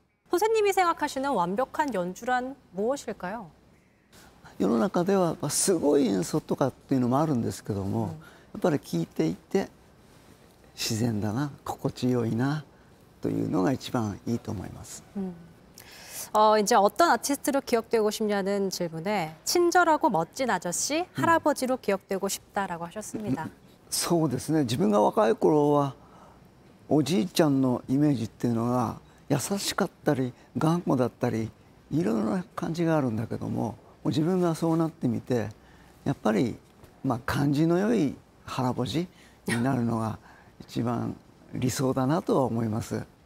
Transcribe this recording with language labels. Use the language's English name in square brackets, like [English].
[Korean] 선생님이생각하시는완벽한연주란무엇일까요 [Japanese] 世の中ではすごい演奏とかっていうのもあるんですけども、やっぱり聴いていて自然だな、心地よいなというのが一番いいと思います。 [Korean] 이제어떤아티스트로기억되고싶냐는질문에친절하고멋진아저씨할아버지로기억되고싶다라고하셨습니다 [Japanese] そうですね。自分が若い頃はおじいちゃんのイメージっていうのが優しかったり頑固だったりいろいろな感じがあるんだけども、自分がそうなってみてやっぱりまあ感じの良い腹ぼじになるのが一番理想だなとは思います。